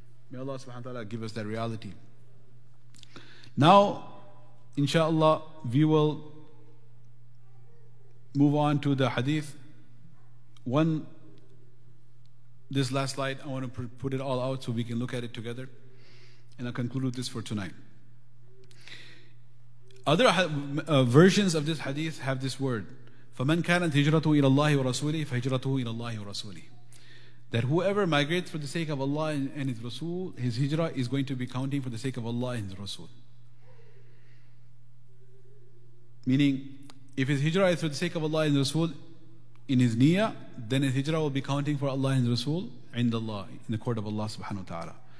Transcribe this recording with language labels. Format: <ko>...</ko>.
<en>May Allah subhanahu wa ta'ala give us that reality. Now, inshallah, we will move on to the hadith. One, this last slide, I want to put it all out so we can look at it together. And I'll conclude with this for tonight. Other versions of this hadith have this word,</en> <ar>فَمَنْ كَانَتْ هِجْرَتُهُ إِلَى اللَّهِ وَرَسُولِهِ فَهِجْرَتُهُ إِلَى اللَّهِ وَرَسُولِهِ.</ar> <en>That whoever migrates for the sake of Allah and His Rasul, his hijrah is going to be counting for the sake of Allah and His Rasul. Meaning, if his hijrah is for the sake of Allah and the Rasul in his niyyah, then his hijrah will be counting for Allah and the Rasul indallah, in the court of Allah subhanahu wa ta'ala.</en>